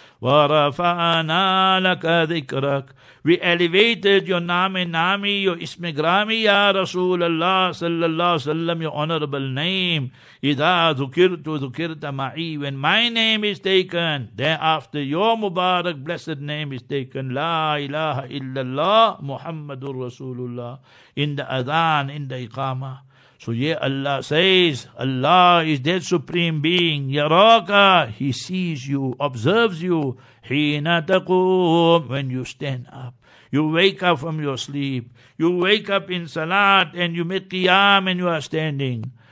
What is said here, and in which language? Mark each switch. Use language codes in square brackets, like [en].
[ar] وَرَفَعَنَا لَكَ ذِكْرَكَ [en] We elevated your name nami, your ismi grami, Ya Rasulullah, sallallahu alayhi wa sallam, your honorable name. [ar] إِذَا ذُكِرْتُ ذُكِرْتَ مَعِي [en] When my name is taken, thereafter your Mubarak blessed name is taken. [ar] لَا إِلَهَ إِلَّا اللَّهِ مُحَمَّدٌ رَسُولُ اللَّهِ [en] In the adhan, in the iqamah. So yeah, Allah says, Allah is that supreme being, Yaraka, He sees you, observes you, Hina taqum, when you stand up, you wake up from your sleep, you wake up in salat, and you make qiyam, and you are standing.